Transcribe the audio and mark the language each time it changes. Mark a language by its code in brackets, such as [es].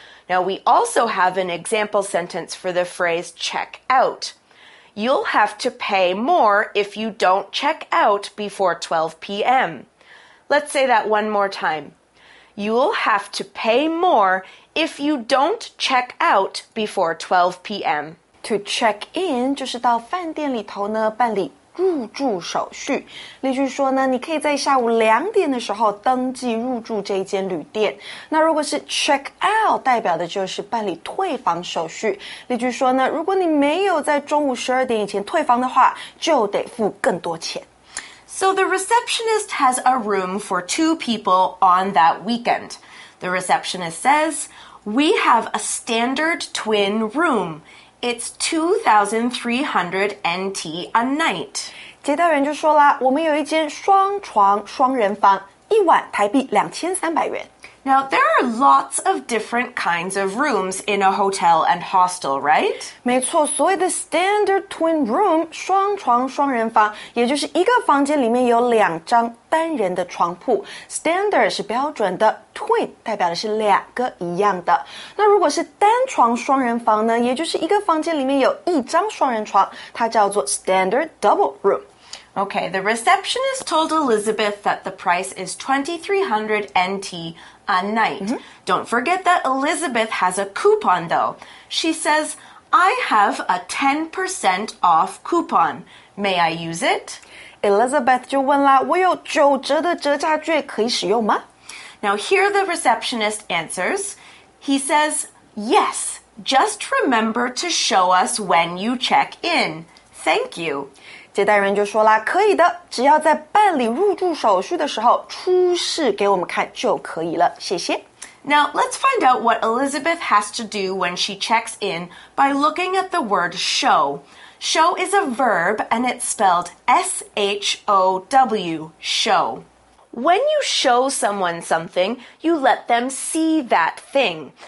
[en] Now, we also have an example sentence for the phrase check out. You'll have to pay more if you don't check out before 12 p.m. Let's say that one more time. You'll have to pay more if you don't check out before 12 p.m. To check in [zh] 就是到饭店里头呢办理入住手续，例如说呢，你可以在下午两点的时候登记入住这一间旅店。那如果是 check out， 代表的就是办理退房手续。例如说呢，如果你没有在中午12点以前退房的话，就得付更多钱。 [en] So the receptionist has a room for two people on that weekend. The receptionist says, "We have a standard twin room." It's 2,300 NT a night. [zh] 接待员就说了，我们有一间双床双人房，一晚台币2,300元。 [en] Now, there are lots of different kinds of rooms in a hotel and hostel, right? [zh] 没错，所谓的 standard twin room, 双床双人房，也就是一个房间里面有两张单人的床铺。 Standard 是标准的 ,twin 代表的是两个一样的。那如果是单床双人房呢，也就是一个房间里面有一张双人床，它叫做 standard double room。 [en] Okay, the receptionist told Elizabeth that the price is 2,300 NT a night. Mm-hmm. Don't forget that Elizabeth has a coupon, though. She says, I have a 10% off coupon. May I use it? [zh] Elizabeth 就问了，我有九折的折价券可以使用吗？ [en] Now, here the receptionist answers. He says, yes, just remember to show us when you check in. Thank you. [zh] 接待人就说了，可以的，只要在办理入住手续的时候出示给我们看就可以了，谢谢。 [en] Now, let's find out what Elizabeth has to do when she checks in by looking at the word show. Show is a verb and it's spelled S-H-O-W, show. When you show someone something, you let them see that thing.